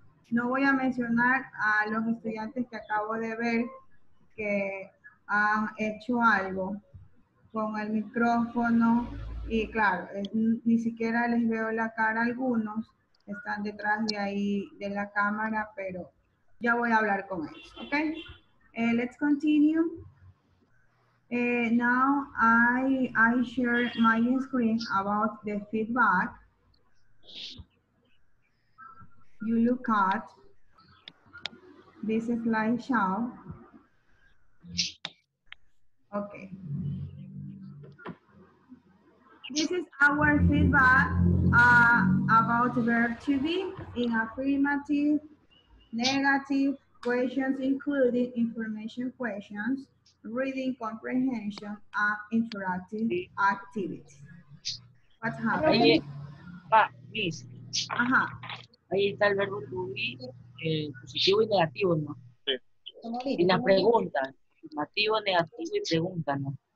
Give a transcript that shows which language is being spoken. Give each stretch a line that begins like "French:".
Spanish: No voy a mencionar a los estudiantes que acabo de ver que han hecho algo con el micrófono. Y claro, ni siquiera les veo la cara a algunos, están detrás de ahí de la cámara, pero ya voy a hablar con ellos, ¿ok?
English: Let's continue. Now I share my screen about the feedback you look at. This is Lai Xiao. Ok. This is our feedback about verb to be in affirmative, negative, questions including information questions, reading comprehension, and interactive activities. What happened?
Spanish: Ahí, pa, Miss. Ajá. Ahí está el verbo to be, positivo y negativo, ¿no? Sí. Y la pregunta, afirmativo, negativo y pregunta, ¿no?